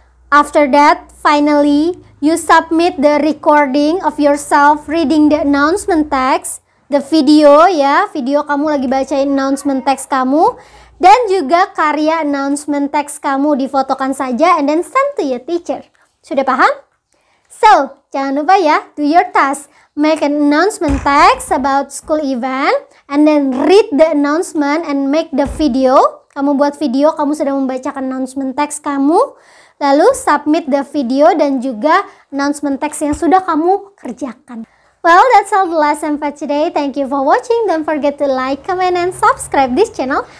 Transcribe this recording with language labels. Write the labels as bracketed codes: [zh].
[en] After that, finally, you submit the recording of yourself reading the announcement text, the video ya, [id] video kamu lagi bacain announcement text kamu, dan juga karya announcement text kamu difotokan saja [en] and then send to your teacher. [id] Sudah paham? [en] So, [id] jangan lupa ya, [en] do your task. Make an announcement text about school event and then read the announcement and make the video. [id] Kamu buat video, kamu sedang membacakan announcement text kamu. Lalu [en] submit the video [id] dan juga announcement text yang sudah kamu kerjakan. [en] Well, that's all the lesson for today. Thank you for watching. Don't forget to like, comment, and subscribe this channel.